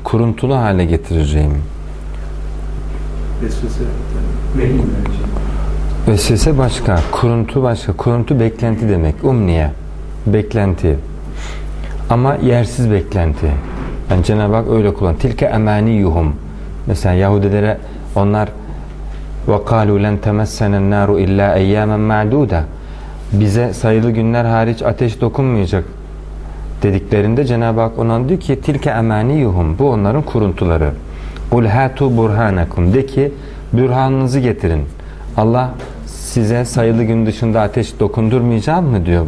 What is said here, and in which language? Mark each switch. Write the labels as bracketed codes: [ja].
[tr] Kuruntulu hale getireceğim. Vesvese. Beklenti. Vesvese başka. Kuruntu başka. Kuruntu beklenti demek. Umniye. Beklenti. Ama yersiz beklenti. Yani Cenab-ı Hak öyle kullanıyor. [ar] Tilke emaniyuhum. [tr] Mesela Yahudilere onlar [ar] وَقَالُوا لَنْ تَمَسَّنَ النَّارُ اِلَّا اَيَّامًا مَعْدُودًا. [tr] Bize sayılı günler hariç ateş dokunmayacak dediklerinde Cenab-ı Hak ona diyor ki [ar] tilke emaniyuhum, [tr] bu onların kuruntuları. [ar] قُلْ هَاتُوا بُرْهَانَكُمْ, [tr] de ki bürhanınızı getirin. Allah size sayılı gün dışında ateş dokundurmayacağım mı diyor.